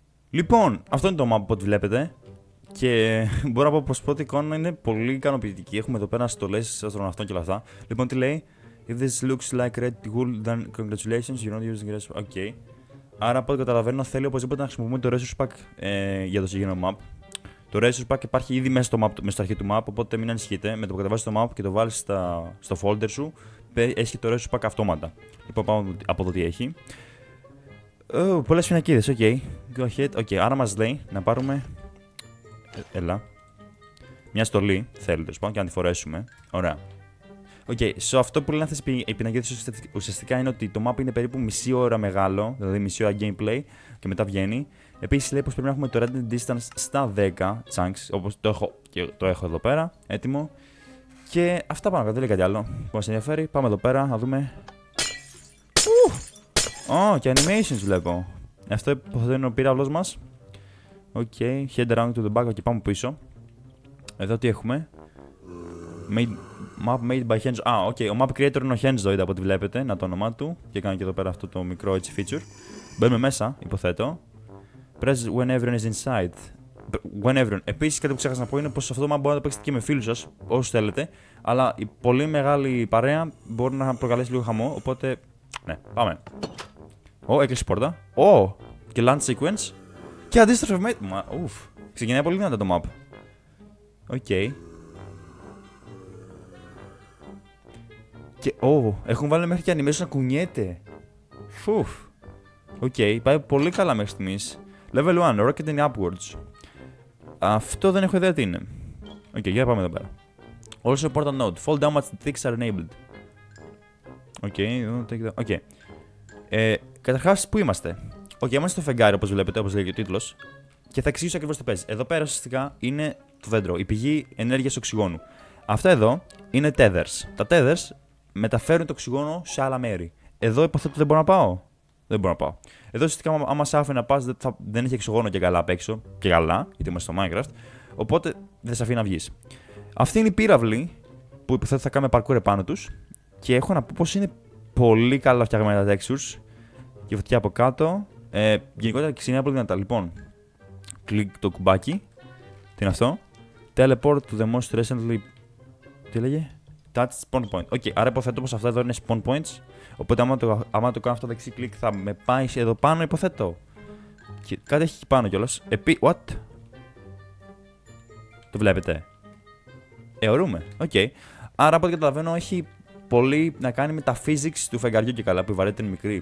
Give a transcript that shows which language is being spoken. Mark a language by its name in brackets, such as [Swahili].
[Greek] Λοιπόν, αυτό είναι το map που βλέπετε. Και μπορώ να πω πως πρώτη εικόνα είναι πολύ ικανοποιητική. Έχουμε εδώ πέρα στολές αστροναυτών και όλα αυτά. Λοιπόν, τι λέει? [English] If this looks like red wool, then congratulations, you're not using the resource. Okay. [Greek] Άρα από ό,τι καταλαβαίνω θέλει οπωσδήποτε να χρησιμοποιούμε το resource pack για το συγκεκριμένο map. Το resource pack υπάρχει ήδη μέσα στο map, μέσα στο αρχή του map, οπότε μην ανησυχείτε. Με το που κατεβάσεις το map και το βάλεις στο folder σου, έχει και το resource pack αυτόματα. Λοιπόν, πάμε από εδώ τι έχει. Πολλές φυνακίδες, okay. [English] Go ahead. [Greek] Okay. Άρα μας λέει να πάρουμε. Έλα. Μια στολή θέλει τέλο πάντων και να τη φορέσουμε. Ωραία. Okay, so αυτό που λένε αυτές οι πινακίδες ουσιαστικά είναι ότι το map είναι περίπου μισή ώρα μεγάλο, δηλαδή μισή ώρα gameplay, και μετά βγαίνει. Επίσης λέει πως πρέπει να έχουμε το render distance στα 10 chunks, όπως το έχω, και το έχω εδώ πέρα, έτοιμο. Και αυτά πάνω κάτω, δεν λέει κάτι άλλο που μας ενδιαφέρει. Πάμε εδώ πέρα να δούμε. Και animations βλέπω. Αυτό υποθέτω είναι ο πύραυλος μας. [English] Okay, head around to the back, okay, [Greek] πάμε πίσω. Εδώ τι έχουμε? [English] Map made by Henzo. [Greek] Okay, ο map creator είναι ο Henzo, είδα από ό,τι βλέπετε, να το όνομά του. Και κάνει και εδώ πέρα αυτό το μικρό έτσι feature. Μπαίνουμε μέσα, υποθέτω. [English] Press when everyone is inside. When everyone. [Greek] Επίσης κάτι που ξέχασα να πω είναι πως αυτό το map μπορεί να το παίξετε και με φίλους σας, όσους θέλετε. Αλλά η πολύ μεγάλη παρέα μπορεί να προκαλέσει λίγο χαμό, οπότε, ναι, πάμε. Έκλεισε η πόρτα. Και [English] land sequence. [Greek] Και αντίστροφε με. Μα, ουφ. Ξεκινάει πολύ δυνατά το map. Okay. Και, έχουν βάλει μέχρι και animation να κουνιέται. Φουφ. Okay, πάει πολύ καλά μέχρι στιγμής. [English] Level 1, rocketing upwards. [Greek] Αυτό δεν έχω ιδέα τι είναι. Okay, για πάμε εδώ πέρα. [English] Also important note, fall damage ticks are enabled. [Greek] Okay. Καταρχάς, πού είμαστε? Okay, είμαστε στο φεγγάρι όπως βλέπετε, όπως λέει και ο τίτλος. Και θα εξηγήσω ακριβώς τι παίζει. Εδώ πέρα ουσιαστικά είναι το δέντρο, η πηγή ενέργειας οξυγόνου. Αυτά εδώ είναι tethers. Τα tethers μεταφέρουν το οξυγόνο σε άλλα μέρη. Εδώ υποθέτω δεν μπορώ να πάω. Εδώ ουσιαστικά, άμα σε άφηνε να πας, δεν έχει οξυγόνο και καλά απ' έξω. Και καλά, γιατί είμαστε στο Minecraft. Οπότε δεν σε αφήνει να βγεις. Αυτή είναι η πύραυλη που υποθέτω θα κάνουμε parkour επάνω τους. Και έχω να πω πως είναι πολύ καλά φτιαγμένα τα textures. Και φωτιά από κάτω. Γενικότερα ξεκινάει πολύ δυνατά. Λοιπόν, κλικ το κουμπάκι. Τι είναι αυτό? [English] Teleport to the most recently. [Greek] Τι λέγε? [English] Touch spawn point. [Greek] Okay, άρα υποθέτω πως αυτά εδώ είναι spawn points. Οπότε, άμα το κάνω αυτό δεξί κλικ, θα με πάει εδώ πάνω, υποθέτω. Και κάτι έχει πάνω κιόλας. [English] What? [Greek] Το βλέπετε? Αιωρούμε. Okay. Άρα, από ό,τι καταλαβαίνω, έχει πολύ να κάνει με τα physics του φεγγαριού και καλά που η βαρύτητα είναι μικρή.